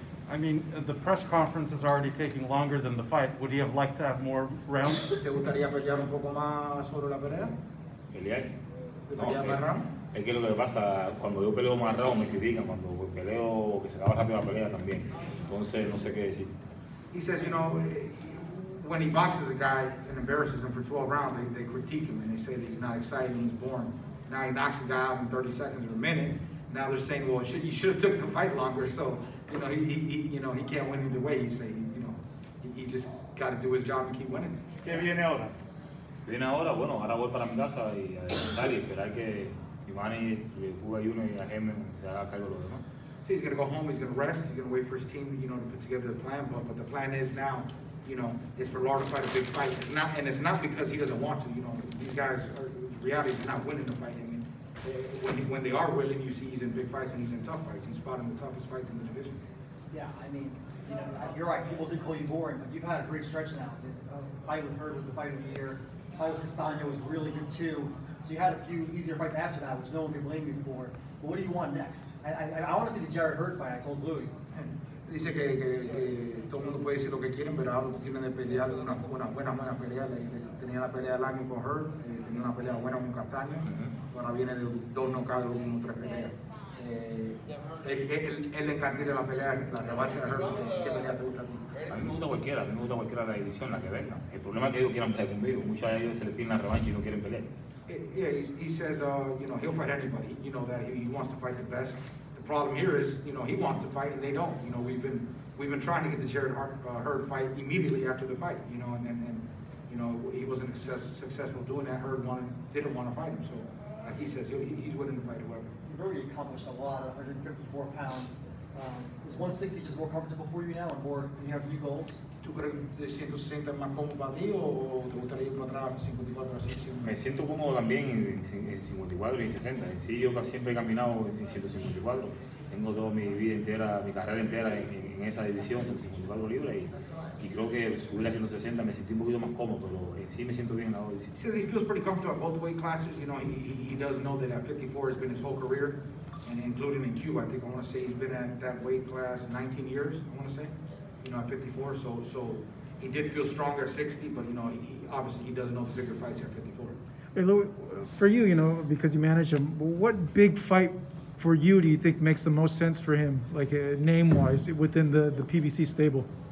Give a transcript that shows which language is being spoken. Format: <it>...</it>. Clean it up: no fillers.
<en>I mean, the press conference is already taking longer than the fight. Would he have liked to have more rounds?</en> <es>¿Te gustaría pelear un poco más sobre la pelea? ¿Pelear? No, es que lo que pasa, cuando yo peleo más rápido me critican, cuando peleo que se acaba rápido la pelea también. Entonces no sé qué decir.</es> <en>He says, you know, when he boxes a guy and embarrasses him for 12 rounds, they critique him and they say that he's not excited and he's boring. Now he knocks a guy out in 30 seconds or a minute. Now they're saying, well, you should have took the fight longer. So, you know, he can't win either way. He's saying, you know, he just got to do his job and keep winning.</en> <es>¿Qué viene ahora? Viene ahora, bueno, ahora voy para mi casa y a descansar y esperar que Imani, Cuba y uno y la Gemma se haga cargo de lo demás.</es> <en>Sí, he's going to go home, he's going to rest, he's going to wait for his team, you know, to put together the plan, but the plan is now, you know, is for Lara to fight a big fight. It's not, and it's not because he doesn't want to, you know, these guys are, in reality, they're not winning the fight. I mean, when they are willing, you see he's in big fights and he's in tough fights. He's fought in the toughest fights in the division. Yeah, I mean, you know, you're right, people did call you boring, but you've had a great stretch now. The fight with Herb was the fight of the year. Fight with Castano was really good too. So you had a few easier fights after that, which no one can blame you for. But what do you want next? I want to see the Jared Hurd fight. I told Louis.</en> <es>Dice que todo mundo puede decir lo que quieren, pero algo que tienen de pelear de una buena manera pelear. Tenía la pelea del año con Hurd, tenía una pelea buena con Castano. Ahora viene de dos nocados, uno tres peleas. Él le encantó la pelea, la revancha de Hurd. ¿Qué pelea te gusta a ti? A mí me gusta cualquiera, a mí me gusta cualquiera de la división, la que venga. El problema es que ellos quieran pelear conmigo. Muchos de ellos se les piden la revancha y no quieren pelear.</es> <en>Yeah, he says, you know, he'll fight anybody. You know that he wants to fight the best. The problem here is, you know, he wants to fight and they don't. You know, we've been trying to get the Jared Hurd fight immediately after the fight. You know, and you know, he wasn't successful doing that. Hurd didn't want to fight him. So, like he says, he's willing to fight whoever. You've already accomplished a lot, 154 pounds. Is 160 just more comfortable for you now, or more? You have new goals.</en> <es>¿Tú crees que 160 es más cómodo para ti o te gustaría ir para atrás 54 a 60? Me siento cómodo también en 54 y en 60. En sí, yo siempre he caminado en 154. Tengo toda mi vida entera, mi carrera entera en esa división, 154 libras. Y creo que subir a 160 me sentí un poquito más cómodo, pero en sí me siento bien en la división.</es> <en>He says he feels pretty comfortable at both weight classes. You know, he does know that at 54 has been his whole career, and including in Cuba, I think I want to say he's been at that weight class 19 years, I want to say. You know, at 54, so he did feel stronger at 60, but you know, he obviously doesn't know the bigger fights at 54. Hey Louis, for you, you know, because you manage him, what big fight for you do you think makes the most sense for him, like name-wise, within the PBC stable?</en>